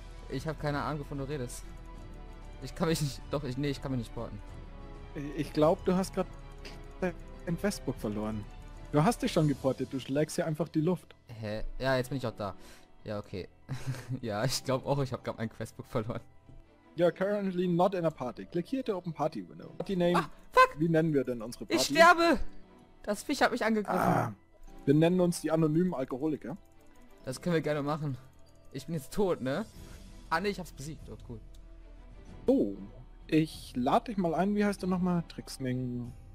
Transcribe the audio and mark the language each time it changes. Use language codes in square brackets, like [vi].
[de] Ich habe keine Ahnung, wovon du redest. Ich kann mich nicht. Doch, ich kann mich nicht porten. Ich glaube, du hast gerade dein Questbook verloren. Du hast dich schon geportet, du schlägst hier einfach die Luft. Hä? Ja, jetzt bin ich auch da. Ja, okay. Ja, ich glaube auch, ich habe gerade mein Questbook verloren. [en] You're currently not in a party. Click here to open party window. Party name. Ah, fuck. [de] Wie nennen wir denn unsere Party? Ich sterbe! Das Viech hat mich angegriffen. Ah, wir nennen uns die anonymen Alkoholiker. Das können wir gerne machen. Ich bin jetzt tot, ne? Ah ne, ich hab's besiegt. Oh, cool. So, ich lade dich mal ein. Wie heißt du nochmal? Tricksming.